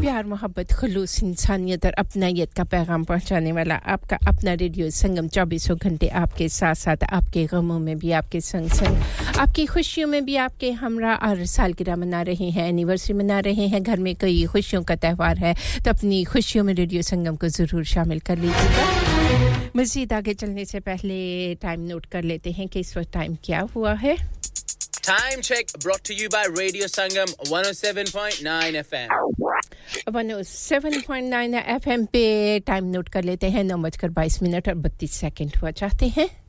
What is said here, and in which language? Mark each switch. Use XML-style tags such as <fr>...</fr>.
<hi>प्यार मोहब्बत खलूस इंसानियत और अपनायत का पैगाम पहुंचाने वाला आपका अपना रेडियो संगम 24 घंटे आपके साथ साथ, आपके गमों में भी आपके संग संग, आपकी खुशियों में भी आपके हमरा। और सालगिरह मना रहे हैं, एनिवर्सरी मना रहे हैं, घर में कई खुशियों का त्यौहार है, तो अपनी खुशियों में रेडियो संगम को जरूर शामिल कर लीजिएगा। मजीद आगे चलने से पहले टाइम नोट कर लेते हैं कि इस वक्त टाइम क्या हुआ है।</hi> <en>Time check brought to you by Radio Sangam 107.9 FM.</en> <hi>107.9 FM पे टाइम नोट कर लेते हैं, 9:22:32 हुआ चाहते हैं।</hi>